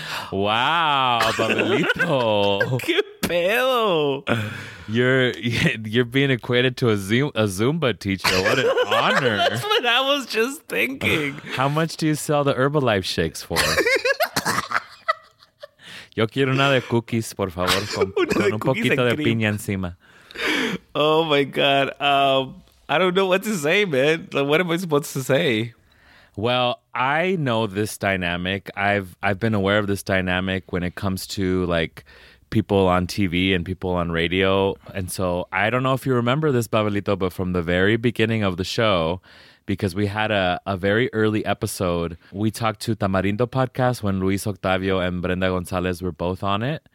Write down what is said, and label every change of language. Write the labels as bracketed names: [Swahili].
[English] Wow, Babelito. [Spanish] Qué pelo. [English] You're being equated to a Zumba teacher. What an honor. That's what I was just thinking. How much do you sell the Herbalife shakes for? [Spanish] Yo quiero una de cookies, por favor, con un poquito de piña encima. [English] Oh, my God. I don't know what to say, man. Like, what am I supposed to say? Well, I know this dynamic. I've been aware of this dynamic when it comes to, like, people on TV and people on radio. And so I don't know if you remember this, Babelito, but from the very beginning of the show, because we had a very early episode, we talked to Tamarindo Podcast when Luis Octavio and Brenda Gonzalez were both on it.